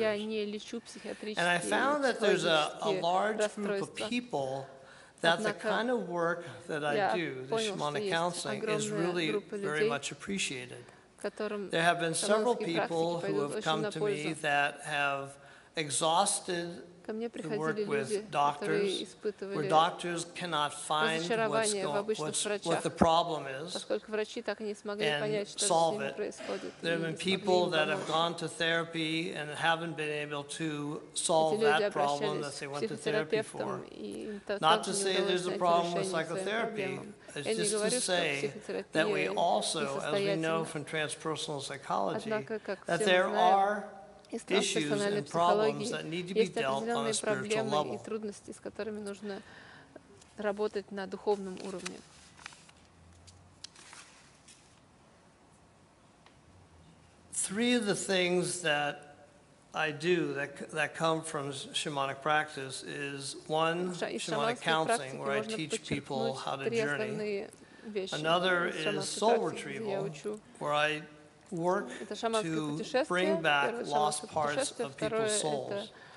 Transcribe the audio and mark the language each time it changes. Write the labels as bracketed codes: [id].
[en] And I found that there's a large group of people that the kind of work that I do, the shamanic counseling, is really very much appreciated. There have been several people who have come to me that have exhausted [ru] ко мне приходили люди, которые испытывали разочарование в обычных врачах, поскольку врачи так и не смогли понять, что с ними происходит. [en] There have been people that have gone to therapy and haven't been able to solve that problem that they went to therapy for. Not to say there's a problem with psychotherapy. It's just to say that we also, as we know from transpersonal psychology, that there are issues and problems that need to be dealt on a spiritual level. [ru] Трудности, с которыми нужно работать на духовном уровне. [en] Three of the things that I do that come from shamanic practice is one, shamanic counseling, where I teach people how to journey. Another is soul retrieval, where I work to bring back lost parts of people's souls.